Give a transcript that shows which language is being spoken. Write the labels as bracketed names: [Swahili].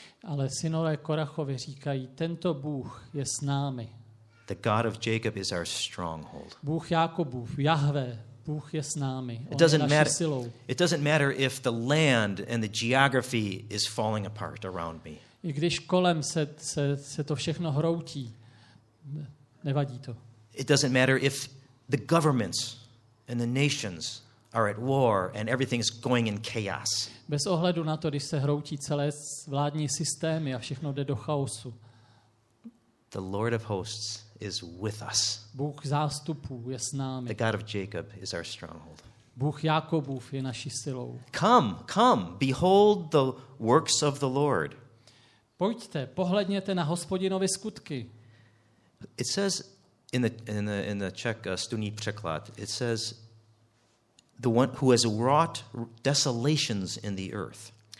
[Czech] Ale synové Korachovi říkají, tento Bůh je s námi. [English] The God of Jacob is our stronghold. [Czech] Bůh Jákobův, Jahve, Bůh je s námi. On je naší silou. [English] It doesn't matter if the land and the geography is falling apart around me. [Czech] I když kolem se to všechno hroutí, nevadí to. [English] It doesn't matter if the governments and the nations are at war and everything's going in chaos. [Czech] Bez ohledu na to, když se hroutí celé vládní systémy a všechno jde do chaosu. [English] The Lord of hosts is with us. [Czech] Bůh zástupů je s námi. [English] The God of Jacob is our stronghold. [Czech] Bůh Jákobův je naší silou. [English] Come, behold the works of the Lord. [Czech] Pojďte, pohledněte na Hospodinovy skutky. [English] It says in the Czech studijní překlad, it says the one who has wrought desolations in the earth.